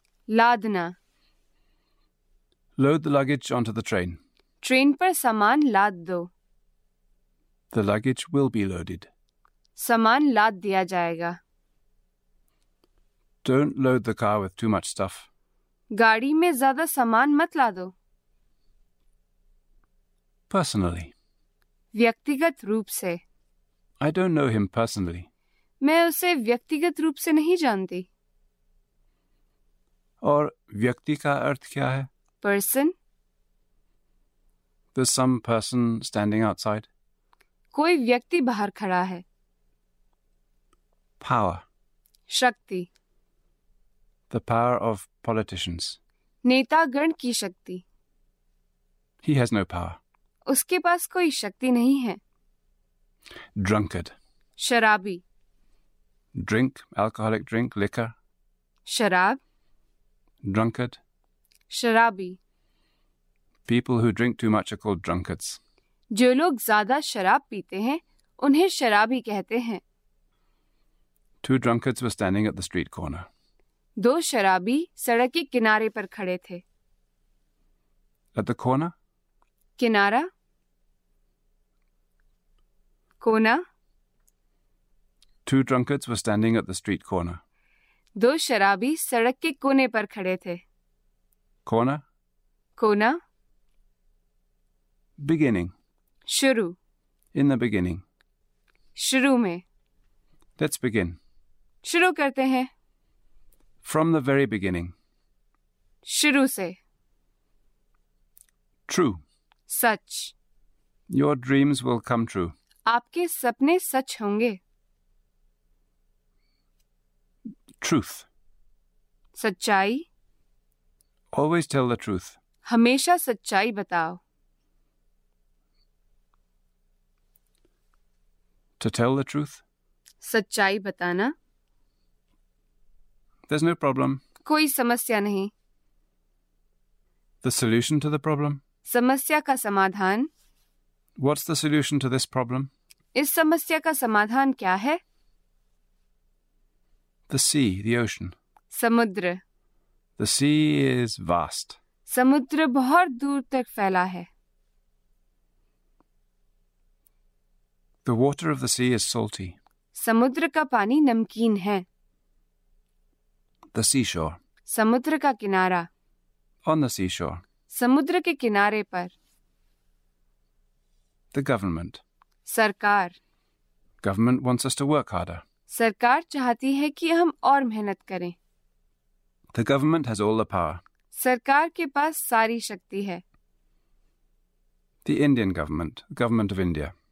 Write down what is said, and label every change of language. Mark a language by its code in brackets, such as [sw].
[hi] लादना. [en] Load the luggage onto the train. [hi] Train पर सामान लाद दो. [en] The luggage will be loaded. [hi] सामान लाद दिया जाएगा. [en] Don't load the car with too much stuff. [hi] गाड़ी में ज्यादा सामान मत लादो. [en] Personally. [hi] व्यक्तिगत रूप से. [en] I don't know him personally. [hi] मैं उसे व्यक्तिगत रूप से नहीं जानती. और व्यक्ति का अर्थ क्या है? [en] Person. There's some person standing outside. [hi] कोई व्यक्ति बाहर खड़ा है. [en] Power. [hi] शक्ति. [en] The power of politicians. [hi] नेतागण की शक्ति. [en] He has no power. [hi] उसके पास कोई शक्ति नहीं है. [en] Drunkard. [hi] शराबी. [en] Drink, alcoholic drink, liquor. [hi] शराब. [en] Drunkard. [hi] शराबी. [en] People who drink too much are called drunkards. [hi] जो लोग ज्यादा शराब पीते हैं उन्हें शराबी कहते हैं. [en] Two drunkards were standing at the street corner. [hi] दो शराबी सड़क के किनारे पर खड़े थे. [en] At the corner? [hi] किनारा. कोना. [en] Two drunkards were standing at the street corner. [hi] दो शराबी सड़क के कोने पर खड़े थे. [en] Corner? [hi] कोना. [en] Beginning. [hi] शुरू. [en] In the beginning. [hi] शुरू में. [en] Let's begin. [hi] शुरू करते हैं. [en] From the very beginning. [hi] शुरू से. [en] True. [hi] Such. [en] Your dreams will come true. [hi] आपके सपने सच होंगे. [en] Truth. [hi] सच्चाई. [en] Always tell the truth. [hi] हमेशा सच्चाई बताओ. [en] To tell the truth. [hi] सच्चाई बताना. [en] There's no problem. [hi] कोई समस्या नहीं. [en] The solution to the problem. [hi] समस्या का समाधान. [en] What's the solution to this problem? [hi] इस समस्या का समाधान क्या है? [en] The sea, the ocean. [hi] समुद्र. [en] The sea is vast. [hi] समुद्र बहुत दूर तक फैला है. [en] The water of the sea is salty. [hi] समुद्र का पानी नमकीन है. [en] The seashore. [hi] समुद्र का किनारा. [en] On the seashore. [hi] समुद्र के किनारे पर. [en] The government. [hi] सरकार. [en] Government wants us to work harder. [hi] सरकार चाहती है कि हम और मेहनत करें. [en] The government has all the power. [hi] सरकार के पास सारी शक्ति है. [en] The Indian government, the government of India.